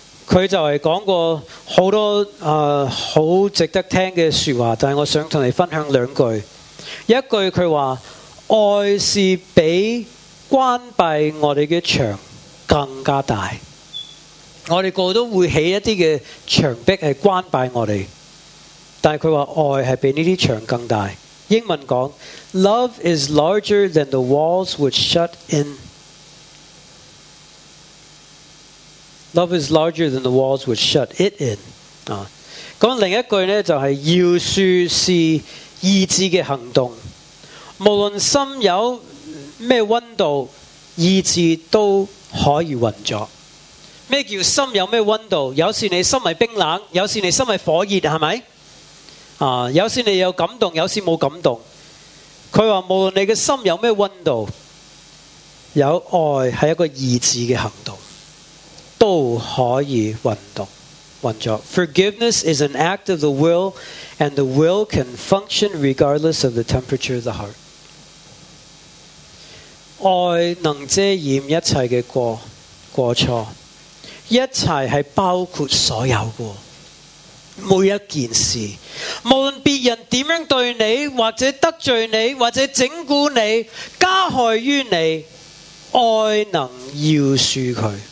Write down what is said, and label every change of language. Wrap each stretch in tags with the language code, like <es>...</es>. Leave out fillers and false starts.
<yue>他就是讲过很多很值得听的说话，但我想跟你分享两句。一句他说，爱是比关闭我们的墙更加大。我们个个都会起一些墙壁是关闭我们，但他说爱是比这些墙更大。英文说，</yue> <en>Love is larger than the walls which shut in。 Love is larger than the walls which shut it in。</en> <yue>另一句呢，就是饶恕是意志的行动。无论心有什么温度，意志都可以运作。什么叫心有什么温度？有时你心是冰冷，有时你心是火热，是不是？有时你有感动，有时没有感动。他说无论你的心有什么温度，有爱是一个意志的行动，都可以运作。</yue> <en>Forgiveness is an act of the will, and the will can function regardless of the temperature of the heart.</en> <yue>爱能遮掩一切的 过错，一切是包括所有的每一件事。无论别人怎样对你，或者得罪你，或者整蛊你，加害于你，爱能饶恕他。</yue>